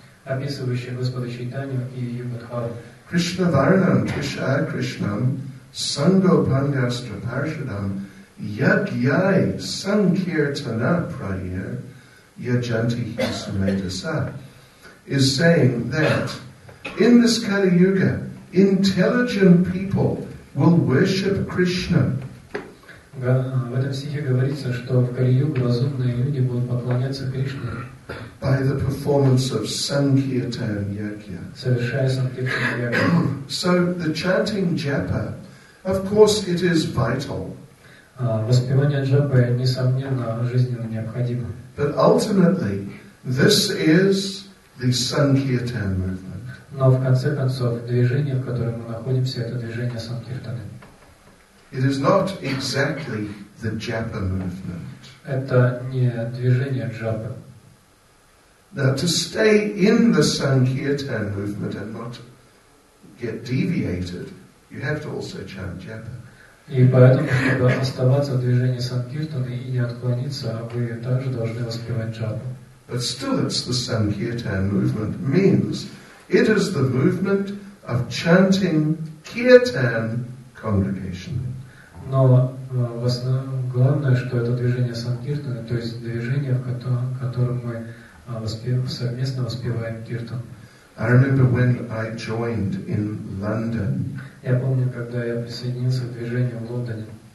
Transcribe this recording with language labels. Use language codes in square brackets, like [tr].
[ru] Описывающий Господа Чайтанью и Юга-дхарму. [sa] Krishna Varnam Krishna Krishnam Sango Pangastra Parshadam Yagyai Sankirtana Prayer Yajanti Hisumedasa [en] is saying that in this Kali Yuga, intelligent people will worship Krishna. [ru] В этом стихе говорится, что в Кали-Югу разумные люди будут поклоняться Кришне. [en] By the performance of Sankirtan Yagya. [ru] Совершая Санкиртан Йагья. [en] So the chanting japa, of course it is vital. [ru] Воспевание джапы, несомненно, жизненно необходимо. [en] But ultimately, this is the Sankirtan movement. [ru] Но в конце концов, движение, в котором мы находимся, это движение Санкиртаны. [en] It is not exactly the japa movement. [ru] Это не движение джапы. [en] Now, to stay in the Sankirtan movement and not get deviated, you have to also chant japa. [ru] И поэтому, чтобы оставаться в движении Санкиртаны и не отклониться, вы также должны воспевать джапу. [en] But still, it's the Sankirtan movement means it is the movement of chanting kirtan congregationally. [ru] Но в основном главное, что это движение Санкиртаны, то есть движение, в котором мы совместно воспеваем киртан. [en] I remember when I joined in London. [ru] Я помню, когда я присоединился к движению в Лондоне.